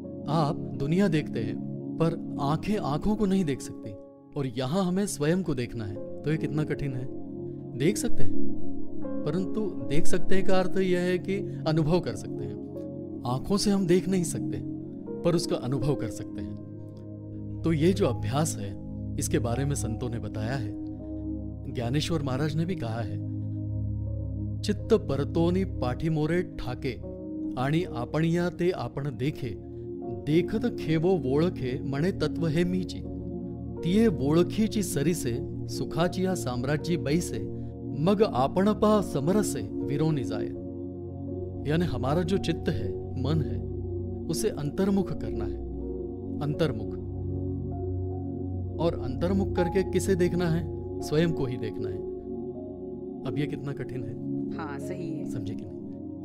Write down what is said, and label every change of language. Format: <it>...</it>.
<hi>आप दुनिया देखते हैं पर आंखें आंखों को नहीं देख सकती, और यहां हमें स्वयं को देखना है, तो ये कितना कठिन है। देख सकते हैं, परंतु देख सकते हैं का अर्थ यह है कि अनुभव कर सकते हैं। आंखों से हम देख नहीं सकते पर उसका अनुभव कर सकते हैं। तो ये जो अभ्यास है इसके बारे में संतों ने बताया है।</hi> <mr>ज्ञानेश्वर महाराज ने भी कहा है, चित्त परतोनी पाठी मोरे ठाके आणि आपणिया ते आपण देखे, देखत खेवो वोळखे मणे तत्व हे मीची, तिये वोळखीची सरीसे सुखाचिया साम्राज्य बैसे, मग आपणपा समरसे विरोनी जाय।</mr> <hi>यानी हमारा जो चित्त है, मन है, उसे अंतर्मुख करना है। अंतर्मुख, और अंतर्मुख करके किसे देखना है, स्वयं को ही देखना है। अब ये कितना कठिन है। हाँ सही है, समझे कि नहीं?</hi>